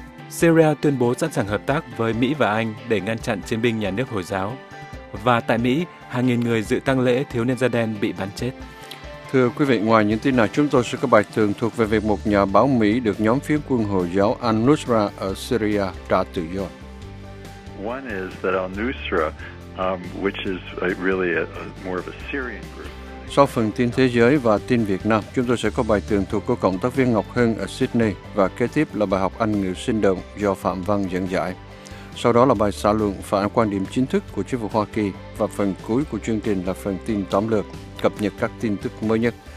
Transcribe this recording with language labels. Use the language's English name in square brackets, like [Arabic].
[Vietnamese] Syria tuyên bố sẵn sàng hợp tác với Mỹ và Anh để ngăn chặn chiến binh nhà nước Hồi giáo. Và tại Mỹ, hàng nghìn người dự tang lễ thiếu niên da đen bị bắn chết. Thưa quý vị, ngoài những tin này, chúng tôi sẽ có bài tường thuật về việc một nhà báo Mỹ được nhóm phiến quân Hồi giáo Al-Nusra ở Syria trả tự do. [English] One is that Al-Nusra, which is really more of a Syrian group. [Vietnamese] Sau phần tin thế giới và tin Việt Nam, chúng tôi sẽ có bài tường thuật của cộng tác viên Ngọc Hưng ở Sydney và kế tiếp là bài học Anh ngữ sinh động do Phạm Văn dẫn giải. Sau đó là bài xã luận phản quan điểm chính thức của chính phủ Hoa Kỳ và phần cuối của chương trình là phần tin tóm lược, cập nhật các tin tức mới nhất.